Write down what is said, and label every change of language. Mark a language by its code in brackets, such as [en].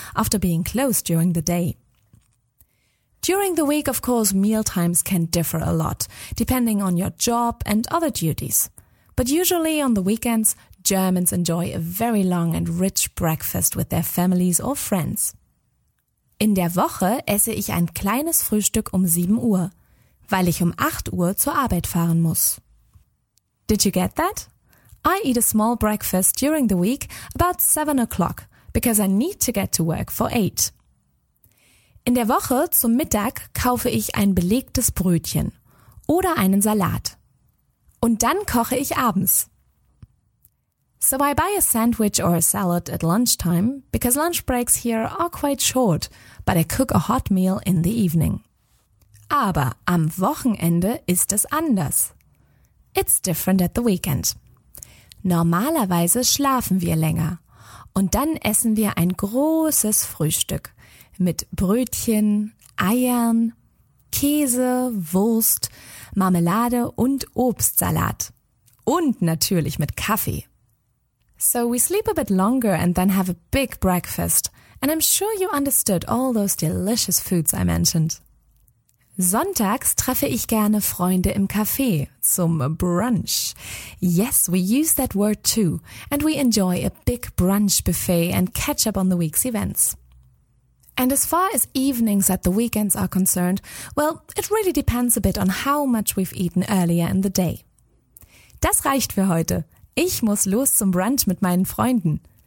[en] after being closed during the day. During the week, of course, mealtimes can differ a lot, depending on your job and other duties. But usually on the weekends, Germans enjoy a very long and rich breakfast with their families or friends. [de] In der Woche esse ich ein kleines Frühstück 7 Uhr. Weil ich 8 Uhr zur Arbeit fahren muss. [en] Did you get that? I eat a small breakfast during the week about 7 o'clock, because I need to get to work for 8. [de] In der Woche zum Mittag kaufe ich ein belegtes Brötchen oder einen Salat. Und dann koche ich abends. [en] So I buy a sandwich or a salad at lunchtime, because lunch breaks here are quite short, but I cook a hot meal in the evening. [de] Aber am Wochenende ist es anders. [en] It's different at the weekend. [de] Normalerweise schlafen wir länger und dann essen wir ein großes Frühstück mit Brötchen, Eiern, Käse, Wurst, Marmelade und Obstsalat. Und natürlich mit Kaffee. [en] So we sleep a bit longer and then have a big breakfast. And I'm sure you understood all those delicious foods I mentioned. [de] Sonntags treffe ich gerne Freunde im Café, zum Brunch. [en] Yes, we use that word too, and we enjoy a big brunch buffet and catch up on the week's events. And as far as evenings at the weekends are concerned, well, it really depends a bit on how much we've eaten earlier in the day. [de] Das reicht für heute. Ich muss los zum Brunch mit meinen Freunden.